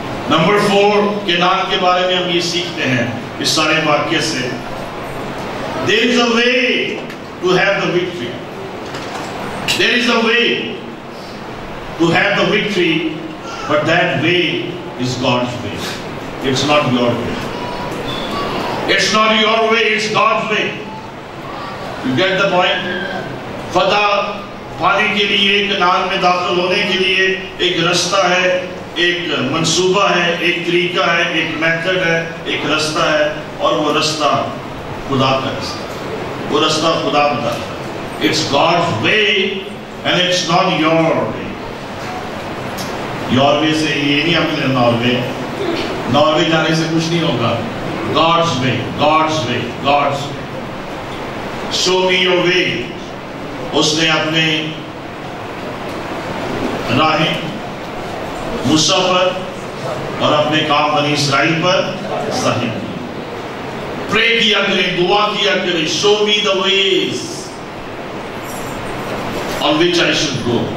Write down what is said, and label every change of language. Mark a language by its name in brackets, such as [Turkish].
[Hindi] Number 4, Kanan के बारे में हम ये सीखते हैं इस सारे वाक्य से, [English] There is a way to have the victory, there is a way to have the victory, but that way is God's way, it's not your way. It's not your way, it's God's way. You get the point? [Hindi] फतह पाने के लिए, कनान में दाखिल होने के लिए एक रास्ता है, एक मंसूबा है, एक तरीका है, एक मेथड है, एक रास्ता है, और वो रास्ता खुदा का रास्ता है, वो रास्ता खुदा बताता है। [English] It's God's way and it's not your way. Your way [Hindi] से ये नहीं आपने नॉर्वे, नॉर्वे जाने से कुछ नहीं होगा। [English] God's way, God's way, God's way. Show me your way. [Hindi] उसने अपने राहें मूसा पर और अपने काम बनी इसराइल पर सहित प्रे किया करें, दुआ किया करें, [English] Show me the ways on which I should go.